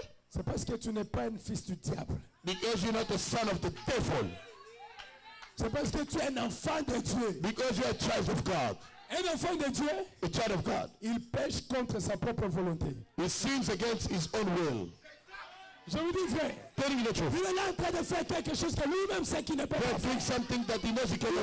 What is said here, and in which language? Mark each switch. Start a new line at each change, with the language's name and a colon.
French: C'est parce que tu n'es pas un fils du diable.
English: Because you're not the son of the devil.
French: C'est parce que tu es un enfant de Dieu.
English: Because you're a child of God.
French: Un enfant de Dieu.
English: A child of God.
French: Il pêche contre sa propre volonté.
English: He sins against his own will.
French: Je vous dis vrai.
English: Telling you the truth.
French: Il est là en train de faire quelque chose que lui-même sait qu'il n'est pas
English: capable. Doing something that he knows he cannot